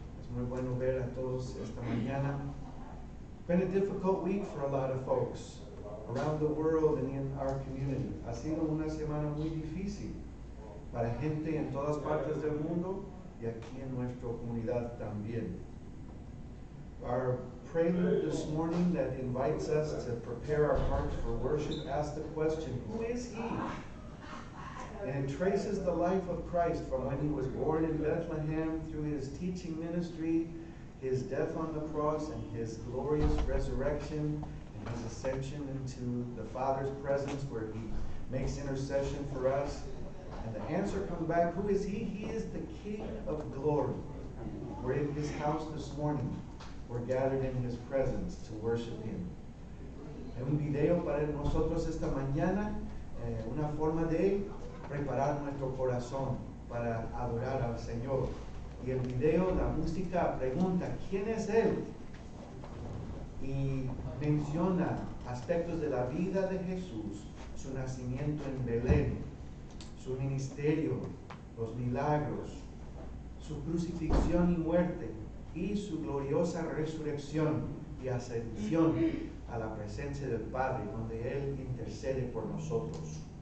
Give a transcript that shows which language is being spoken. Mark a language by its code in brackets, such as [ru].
[es] Es muy bueno ver a todos esta mañana. [en] Been a difficult week for a lot of folks around the world and in our community. [es] Ha sido una semana muy difícil para gente en todas partes del mundo y aquí en nuestra comunidad también. [en] Our prayer this morning that invites us to prepare our hearts for worship asks the question, who is he? And traces the life of Christ from when he was born in Bethlehem through his teaching ministry, his death on the cross, and his glorious resurrection, and his ascension into the Father's presence where he makes intercession for us. And the answer comes back, who is he? He is the King of Glory. We're in his house this morning. We're gathered in his presence to worship him. [es] Hay un video para nosotros esta mañana, una forma de preparar nuestro corazón para adorar al Señor. Y el video, la música pregunta, ¿quién es él? Y menciona aspectos de la vida de Jesús, su nacimiento en Belén, su ministerio, los milagros, su crucifixión y muerte, y su gloriosa resurrección y ascensión a la presencia del Padre, donde Él intercede por nosotros.